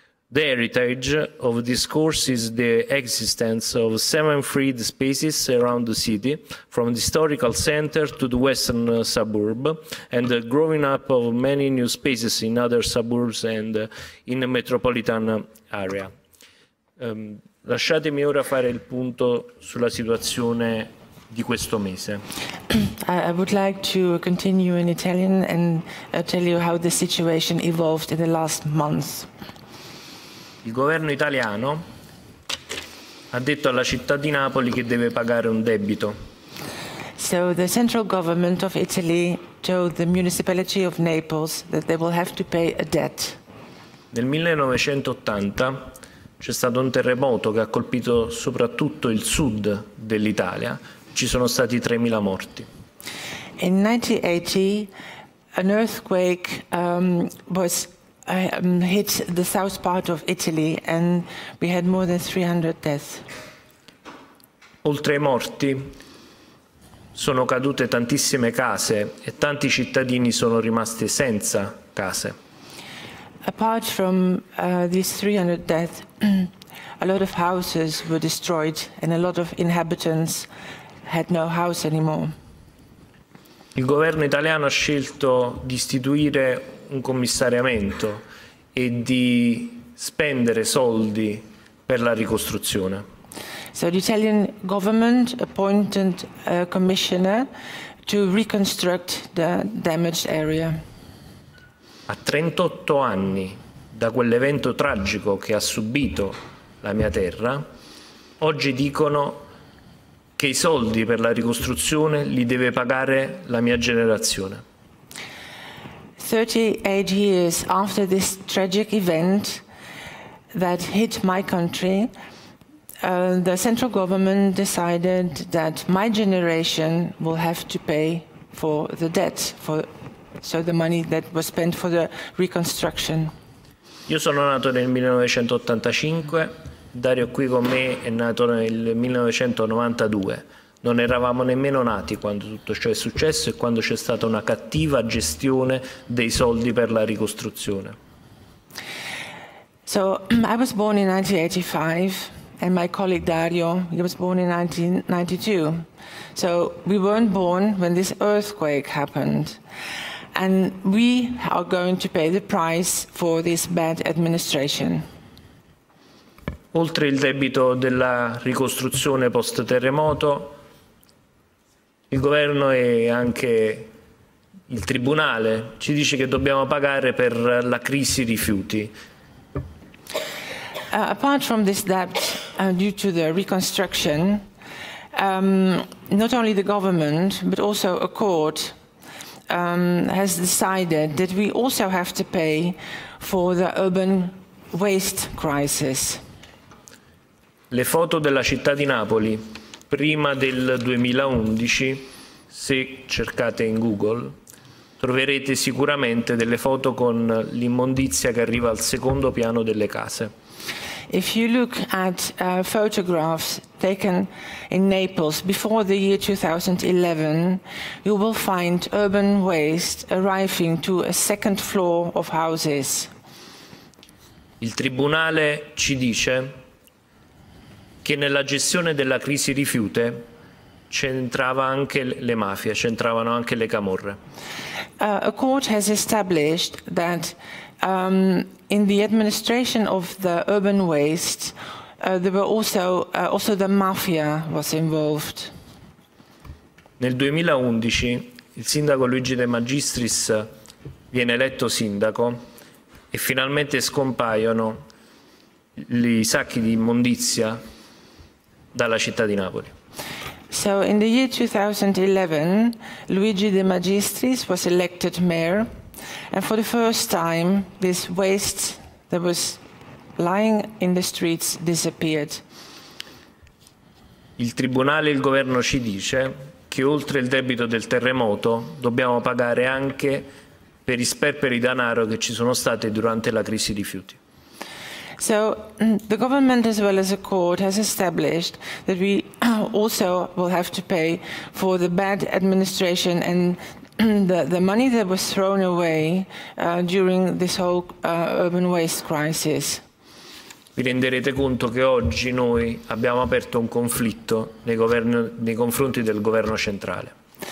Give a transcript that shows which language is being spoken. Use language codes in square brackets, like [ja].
[en] The heritage of this course is the existence of 7 freed spaces around the city, from the historical center to the western suburb, and the growing up of many new spaces in other suburbs and in the metropolitan area. [it] Lasciatemi ora fare il punto sulla situazione di questo mese. [en] I would like to continue in Italian and tell you how the situation evolved in the last month. [it] Il governo italiano ha detto alla città di Napoli che deve pagare un debito. [en] So the central government of Italy told the municipality of Naples that they will have to pay a debt. [it] Nel 1980 c'è stato un terremoto che ha colpito soprattutto il sud dell'Italia. Ci sono stati 3.000 morti. [en] In 1980 an earthquake hit the south part of Italy and we had more than 300 deaths. [it] Oltre ai morti, sono cadute tantissime case e tanti cittadini sono rimasti senza case. [en] Apart from these 300 deaths, a lot of houses were destroyed and a lot of inhabitants had no house anymore. [it] Il governo italiano ha scelto di istituire un commissariamento e di spendere soldi per la ricostruzione. [en] So the Italian government appointed a commissioner to reconstruct the damaged area. [it] A 38 anni da quell'evento tragico che ha subito la mia terra, oggi dicono che i soldi per la ricostruzione li deve pagare la mia generazione. [en] 38 years after this tragic event that hit my country, the central government decided that my generation will have to pay for the debt, for so the money that was spent for the reconstruction. [it] Io sono nato nel 1985, Dario qui con me è nato nel 1992. Non eravamo nemmeno nati quando tutto ciò è successo e quando c'è stata una cattiva gestione dei soldi per la ricostruzione. [en] So I was born in 1985 and my colleague Dario, he was born in 1992. So we weren't born when this earthquake happened. And we are going to pay the price for this bad administration. [it] Oltre il debito della ricostruzione post terremoto, il governo e anche il tribunale ci dice che dobbiamo pagare per la crisi rifiuti. [en] Apart from this debt due to the reconstruction, not only the government but also a court has decided that we also have to pay for the urban waste crisis. [it] Le foto della città di Napoli prima del 2011, se cercate in Google, troverete sicuramente delle foto con l'immondizia che arriva al secondo piano delle case. [en] If you look at photographs taken in Naples before the year 2011, you will find urban waste arriving to a second floor of houses. [it] Il tribunale ci dice che nella gestione della crisi rifiute c'entrava anche le mafie, c'entravano anche le camorre. [en] A court has established that in the administration of the urban waste, there were also the mafia was involved. [it] Nel 2011 il sindaco Luigi De Magistris viene eletto sindaco e finalmente scompaiono i sacchi di immondizia dalla città di Napoli. [en] So in the year 2011, Luigi De Magistris was elected mayor. And for the first time, this waste that was lying in the streets disappeared. [it] Il tribunale e il governo ci dice che oltre il debito del terremoto dobbiamo pagare anche per i sperperi denaro che ci sono stati durante la crisi rifiuti. [en] So the government as well as the court has established that we also will have to pay for the bad administration and the money that was thrown away during this whole urban waste crisis. [it] Vi renderete conto che oggi noi abbiamo aperto un conflitto nei confronti del governo centrale.